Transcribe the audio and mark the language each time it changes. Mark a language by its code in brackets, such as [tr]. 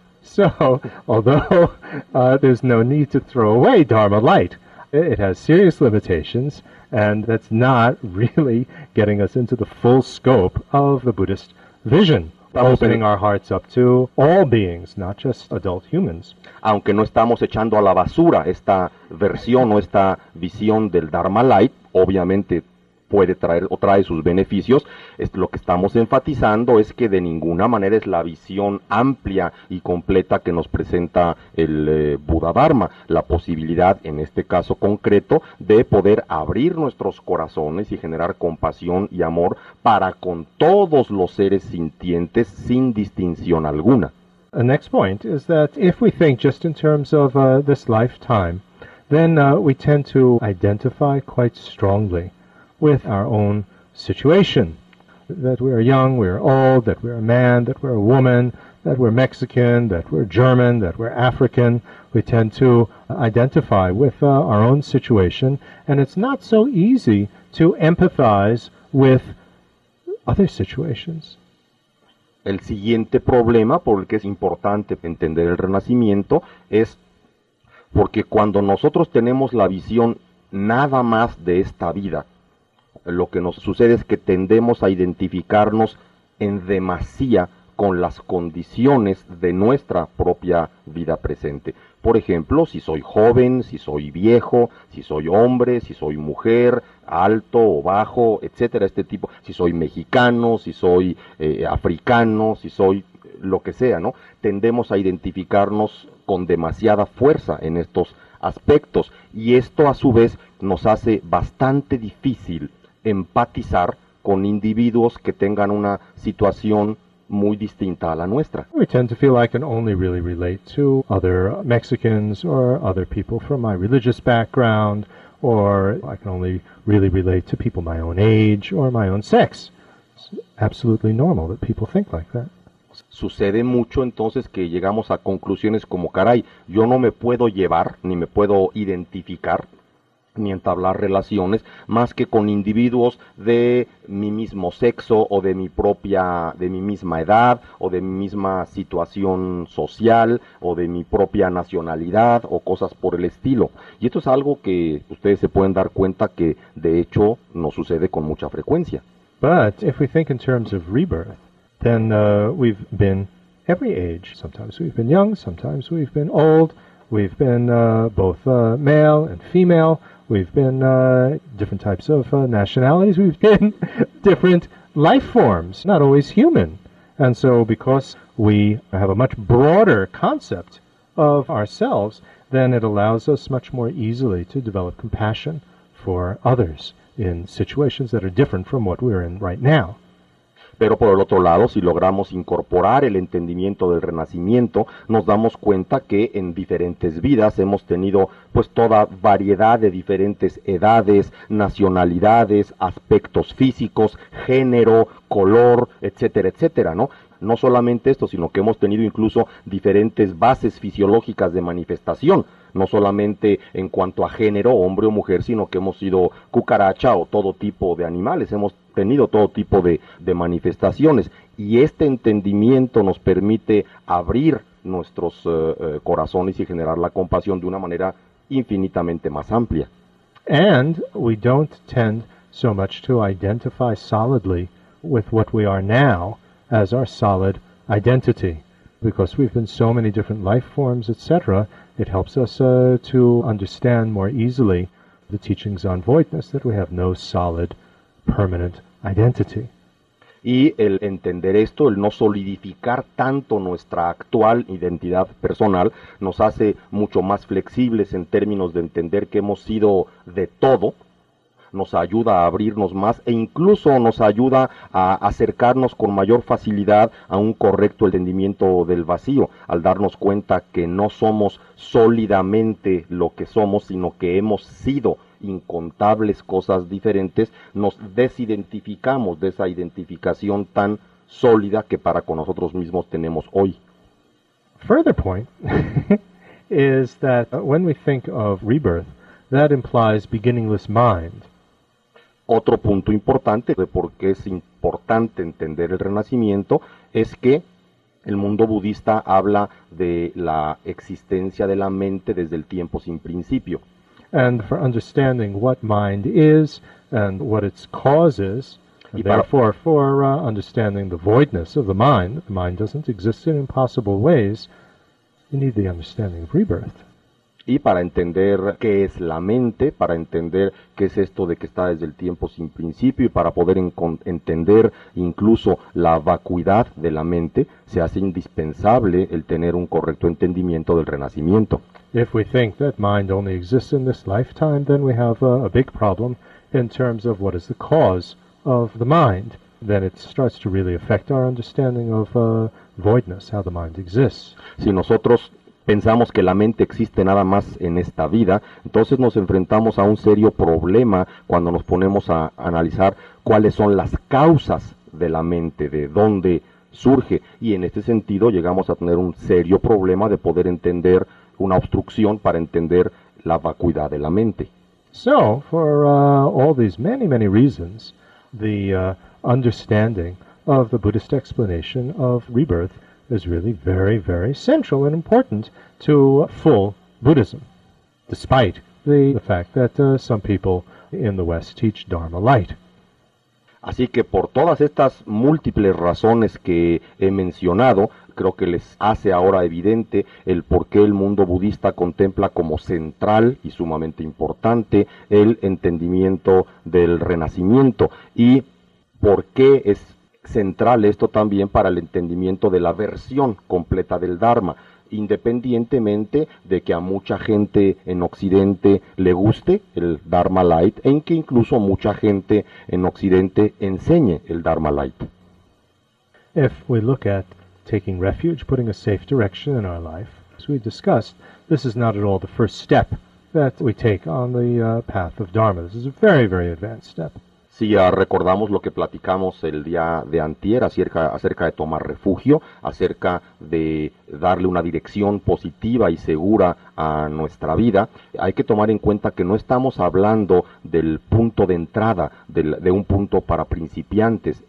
[en] So, although there's no need to throw away Dharma light, it has serious limitations, and that's not really getting us into the full scope of the Buddhist vision [es] estamos [en] opening our hearts up to all beings, not just adult humans. [es] Aunque no estamos echando a la basura esta versión o esta visión del Dharma Light, obviamente puede traer o trae sus beneficios, lo que estamos enfatizando es que de ninguna manera es la visión amplia y completa que nos presenta el Buddha Dharma, la posibilidad en este caso concreto de poder abrir nuestros corazones y generar compasión y amor para con todos los seres sintientes sin distinción alguna. [en] The next point is that if we think just in terms of this lifetime, then we tend to identify quite strongly with our own situation, that we are young, we are old, that we are a man, that we are a woman, that we are Mexican, that we are German, that we are African. We tend to identify with our own situation, and it's not so easy to empathize with other situations. [es] El siguiente problema por el que es importante entender el renacimiento es porque cuando nosotros tenemos la visión nada más de esta vida, lo que nos sucede es que tendemos a identificarnos en demasía con las condiciones de nuestra propia vida presente. Por ejemplo, si soy joven, si soy viejo, si soy hombre, si soy mujer, alto o bajo, etcétera, este tipo, si soy mexicano, si soy africano, si soy lo que sea, ¿no? Tendemos a identificarnos con demasiada fuerza en estos aspectos y esto a su vez nos hace bastante difícil empatizar con individuos que tengan una situación muy distinta a la nuestra. [en] We tend to feel I can only really relate to other Mexicans or other people from my religious background, or I can only really relate to people my own age or my own sex. It's absolutely normal that people think like that. [es] Sucede mucho entonces que llegamos a conclusiones como, caray, yo no me puedo llevar ni me puedo identificar ni entablar relaciones más que con individuos de mi mismo sexo o de mi misma edad o de mi misma situación social o de mi propia nacionalidad o cosas por el estilo. Y esto es algo que ustedes se pueden dar cuenta que de hecho nos sucede con mucha frecuencia. [en] But if we think in terms of rebirth, then we've been every age. Sometimes we've been young, sometimes we've been old, we've been both male and female. We've been different types of nationalities. We've been different life forms, not always human. And so because we have a much broader concept of ourselves, then it allows us much more easily to develop compassion for others in situations that are different from what we're in right now. [es] Pero por el otro lado, si logramos incorporar el entendimiento del renacimiento, nos damos cuenta que en diferentes vidas hemos tenido pues toda variedad de diferentes edades, nacionalidades, aspectos físicos, género, color, etcétera, etcétera, ¿no? No solamente esto, sino que hemos tenido incluso diferentes bases fisiológicas de manifestación, no solamente en cuanto a género, hombre o mujer, sino que hemos sido cucaracha o todo tipo de animales, hemos tenido todo tipo de manifestaciones. Y este entendimiento nos permite abrir nuestros corazones y generar la compasión de una manera infinitamente más amplia. [en] And we don't tend so much to identify solidly with what we are now as our solid identity, because we've been so many different life forms, etc., it helps us to understand more easily the teachings on voidness, that we have no solid, permanent identity. [es] Y el entender esto, el no solidificar tanto nuestra actual identidad personal, nos hace mucho más flexibles en términos de entender que hemos sido de todo, nos ayuda a abrirnos más e incluso nos ayuda a acercarnos con mayor facilidad a un correcto entendimiento del vacío, al darnos cuenta que no somos sólidamente lo que somos, sino que hemos sido incontables cosas diferentes, nos desidentificamos de esa identificación tan sólida que para con nosotros mismos tenemos hoy. [en] Further point is that when we think of rebirth, that implies beginningless mind. [es] Otro punto importante de por qué es importante entender el renacimiento es que el mundo budista habla de la existencia de la mente desde el tiempo sin principio. [en] And for understanding what mind is and what its causes, And therefore, for understanding the voidness of the mind doesn't exist in impossible ways, you need the understanding of rebirth. [es] Y para entender qué es la mente, para entender qué es esto de que está desde el tiempo sin principio y para poder entender incluso la vacuidad de la mente, se hace indispensable el tener un correcto entendimiento del renacimiento. [en] If we think that mind only exists in this lifetime, then we have a big problem in terms of what is the cause of the mind. Then it starts to really affect our understanding of voidness, how the mind exists. [es] Si nosotros pensamos que la mente existe nada más en esta vida, entonces nos enfrentamos a un serio problema cuando nos ponemos a analizar cuáles son las causas de la mente, de dónde surge. Y en este sentido llegamos a tener un serio problema de poder entender una obstrucción para entender la vacuidad de la mente. [en] So, for all these many, many reasons, the understanding of the Buddhist explanation of rebirth is really very, very central and important to full Buddhism, despite the fact that some people in the West teach Dharma light. [es] Así que por todas estas múltiples razones que he mencionado, creo que les hace ahora evidente el por qué el mundo budista contempla como central y sumamente importante el entendimiento del renacimiento y por qué es central esto también para el entendimiento de la versión completa del Dharma, independientemente de que a mucha gente en Occidente le guste el Dharma Light, en que incluso mucha gente en Occidente enseñe el Dharma Light. [en] If we look at taking refuge, putting a safe direction in our life, as we discussed, this is not at all the first step that we take on the path of Dharma. This is a very, very advanced step. [es] Si recordamos lo que platicamos el día de antier acerca de tomar refugio, acerca de darle una dirección positiva y segura a nuestra vida, hay que tomar en cuenta que no estamos hablando del punto de entrada, de un punto para principiantes.